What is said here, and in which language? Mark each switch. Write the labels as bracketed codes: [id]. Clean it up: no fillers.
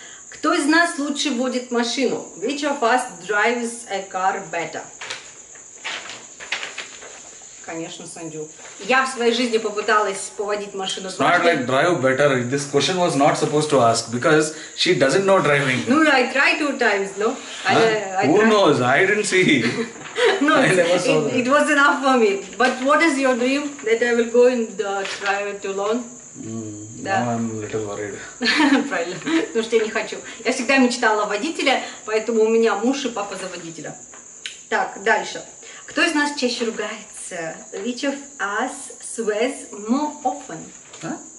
[ru] Кто из нас лучше водит машину? [en] Which of us drives a car better? [ru] Конечно, Санджу. Я в своей жизни попыталась поводить машину. [en] It's not like drive better. This question was not supposed to ask because she doesn't know driving. No, I tried two times, no? Who knows? I didn't see. No, it was enough for me. But what is your dream? That I will go and try to learn? [ru] Правильно, потому что я не хочу. Я всегда мечтала о водителе, поэтому у меня муж и папа за водителя. Так, дальше. Кто из нас чаще ругается? [en] which of us swears more often? Huh?